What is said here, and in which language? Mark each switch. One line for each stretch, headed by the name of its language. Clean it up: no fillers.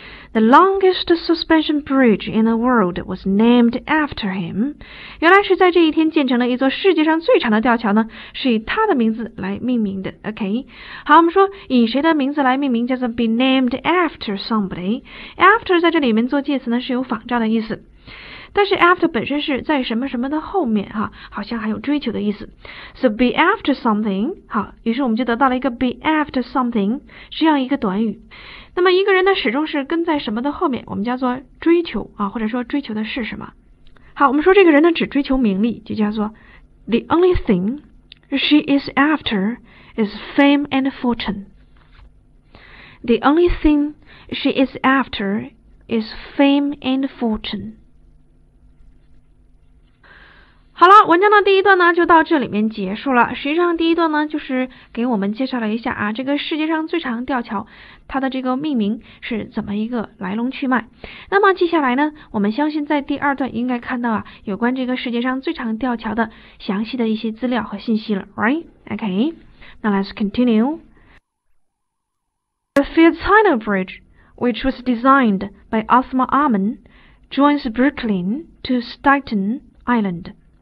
English: The longest suspension bridge in the world was named after him.
Chinese: 原来是在这一天建成了一座世界上最长的吊桥呢，是以他的名字来命名的。 OK, 好，我们说以谁的名字来命名叫做
English: be named after somebody.
Chinese: After 在这里面做介词呢是有仿照的意思。但是 after 本身是在什么什么的后面哈，好像还有追求的意思。
English: So be after something，
Chinese: 好，于是我们就得到了一个
English: be after something
Chinese: 这样一个短语。那么一个人呢，始终是跟在什么的后面，我们叫做追求啊，或者说追求的是什么。好，我们说这个人呢只追求名利，就叫做
English: the only thing she is after is fame and fortune。 The only thing she is after is fame and fortune。
Chinese: 好了，文章的第一段呢就到这里面结束了。实际上第一段呢就是给我们介绍了一下啊，这个世界上最长吊桥它的这个命名是怎么一个来龙去脉。那么接下来呢，我们相信在第二段应该看到啊有关这个世界上最长吊桥的详细的一些资料和信息了， right?
English: Okay, now let's continue. The Fifth China Bridge, which was designed by Othman Amin, joins Brooklyn to Staten Island.